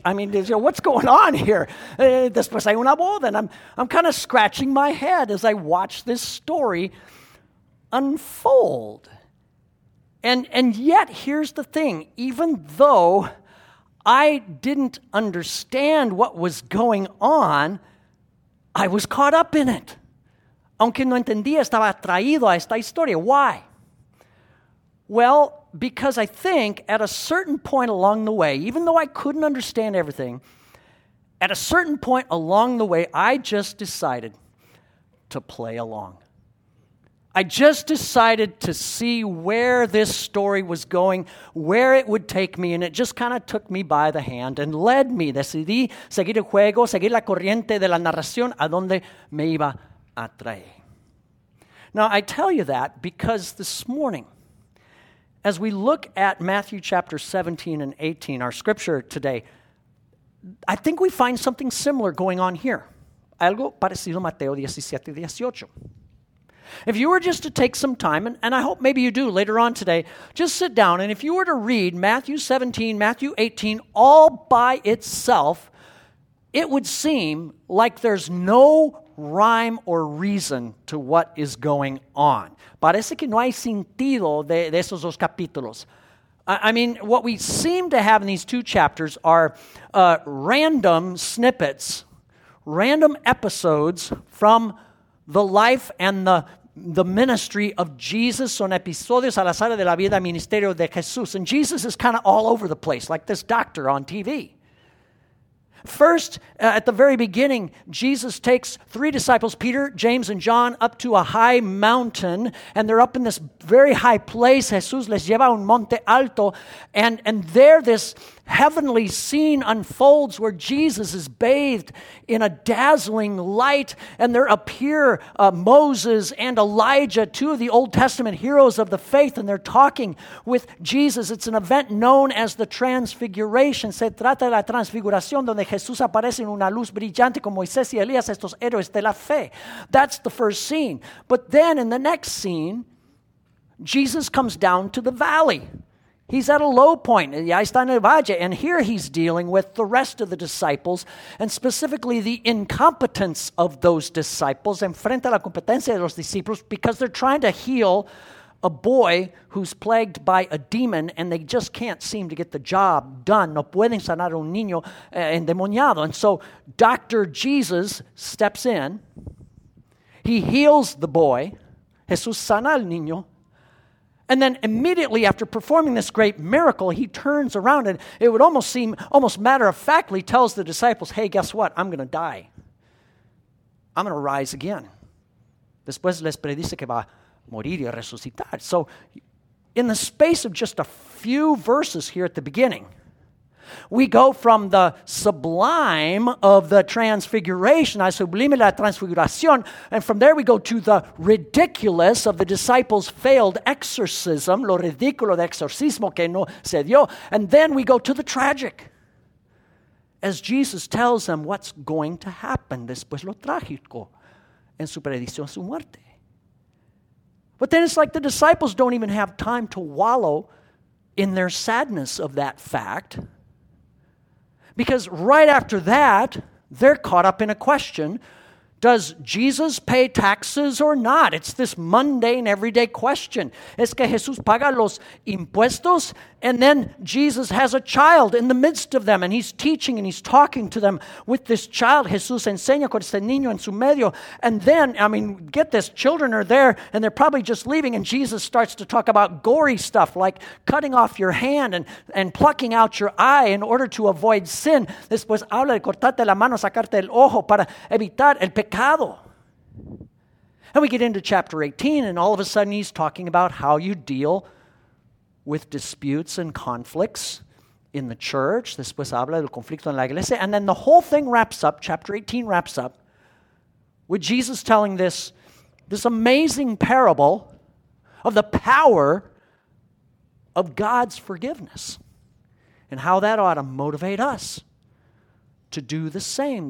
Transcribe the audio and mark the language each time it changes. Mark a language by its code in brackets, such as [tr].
[en] I mean, you know, what's going on here? [es] Después hay una boda, [en] and I'm kind of scratching my head as I watch this story unfold. And yet, here's the thing, even though I didn't understand what was going on, I was caught up in it. [es] Aunque no entendía, estaba atraído a esta historia. [en] Why? Well, because I think at a certain point along the way, even though I couldn't understand everything, at a certain point along the way, I just decided to play along. I just decided to see where this story was going, where it would take me, and it just kind of took me by the hand and led me. [es] Decidí seguir el juego, seguir la corriente de la narración a donde me iba a traer. [en] Now, I tell you that because this morning, as we look at Matthew chapter 17 and 18, our scripture today, I think we find something similar going on here. [es] Algo parecido a Mateo 17 y 18. [en] If you were just to take some time, and I hope maybe you do later on today, just sit down, and if you were to read Matthew 17, Matthew 18 all by itself, it would seem like there's no rhyme or reason to what is going on. [es] Parece que no hay sentido de esos dos capítulos. [en] I mean, what we seem to have in these two chapters are random snippets, random episodes from the life and the ministry of Jesus. [es] Son episodios al azar de la vida, ministerio de Jesús. [en] And Jesus is kind of all over the place, like this doctor on TV. First, at the very beginning, Jesus takes three disciples, Peter, James, and John, up to a high mountain, and they're up in this very high place. [es] Jesús les lleva a un monte alto, [en] and there this heavenly scene unfolds where Jesus is bathed in a dazzling light, and there appear Moses and Elijah, two of the Old Testament heroes of the faith, and they're talking with Jesus. It's an event known as the Transfiguration. [es] Se trata de la transfiguración donde Jesús aparece en una luz brillante como Moisés y Elías, estos héroes de la fe. [en] That's the first scene. But then in the next scene, Jesus comes down to the valley. He's at a low point, and here he's dealing with the rest of the disciples, and specifically the incompetence of those disciples, [es] enfrente a la competencia de los discípulos, [en] because they're trying to heal a boy who's plagued by a demon, and they just can't seem to get the job done. [es] No pueden sanar a un niño endemoniado. [en] And so Dr. Jesus steps in, he heals the boy, [es] Jesús sana al niño. [en] And then immediately after performing this great miracle, he turns around and it would almost seem, almost matter-of-factly tells the disciples, hey, guess what? I'm going to die. I'm going to rise again. [es] Después les predice que va a morir y resucitar. [en] So in the space of just a few verses here at the beginning, we go from the sublime of the transfiguration, [es] a sublime la transfiguración, [en] and from there we go to the ridiculous of the disciples' failed exorcism, [es] lo ridículo de exorcismo que no se dio, [en] and then we go to the tragic, as Jesus tells them what's going to happen [es] después lo trágico en su predicción su muerte. [en] But then it's like the disciples don't even have time to wallow in their sadness of that fact. Because right after that, they're caught up in a question. Does Jesus pay taxes or not? It's this mundane, everyday question. [es] ¿Es que Jesús paga los impuestos? [en] And then Jesus has a child in the midst of them, and he's teaching and he's talking to them with this child. [es] Jesús enseña con este niño en su medio. [en] And then, I mean, get this, children are there, and they're probably just leaving, and Jesus starts to talk about gory stuff, like cutting off your hand and plucking out your eye in order to avoid sin. [es] Después habla de cortarte la mano, sacarte el ojo para evitar el pecado. [en] And we get into chapter 18, and all of a sudden he's talking about how you deal with disputes and conflicts in the church. [es] Después habla del conflicto en la iglesia. [en] And then the whole thing wraps up, chapter 18 wraps up, with Jesus telling this amazing parable of the power of God's forgiveness and how that ought to motivate us to do the same.